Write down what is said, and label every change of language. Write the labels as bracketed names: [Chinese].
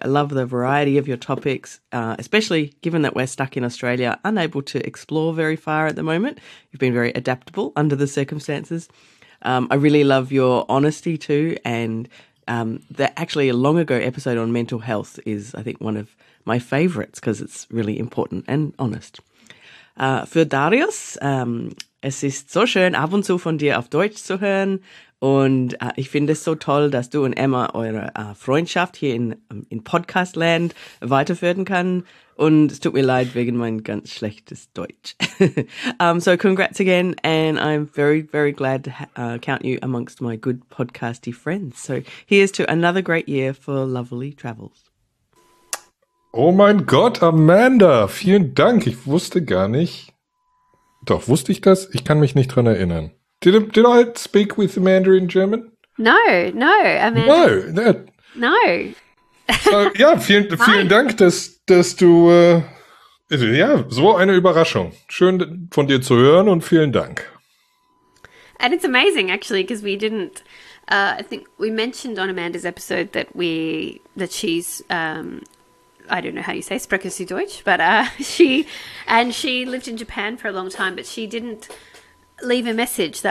[English] I love the variety of your topics, especially given that we're stuck in Australia, unable to explore very far at the moment. You've been very adaptable under the circumstances. I really love your honesty too. And a long ago episode on mental health is, I think, one of my favourites because it's really important and honest. [German] Für Darius, es ist so schön, ab und zu von dir auf Deutsch zu hören. Und ich finde es so toll, dass du und Emma eure Freundschaft hier in Podcastland weiterführen kann. Und es tut mir leid wegen mein ganz schlechtes Deutsch. [English] So congrats again. And I'm very, very glad to count you amongst my good podcasty friends. So here's to another great year for Lovely Travels. [German] Oh mein Gott, Amanda, vielen Dank. Ich wusste gar nicht. Doch, wusste ich das? Ich kann mich nicht dran erinnern. [English] Did I speak with Amanda in German? No, Amanda. No. [German] Ja, vielen Dank, dass du, ja, so eine Überraschung. Schön, von dir zu hören und vielen Dank. [English] And it's amazing, actually, because we didn't, I think we mentioned on Amanda's episode that she's, I don't know how you say, [German] spreche sie Deutsch, [English] but she lived in Japan for a long time, but she didn't leave a message.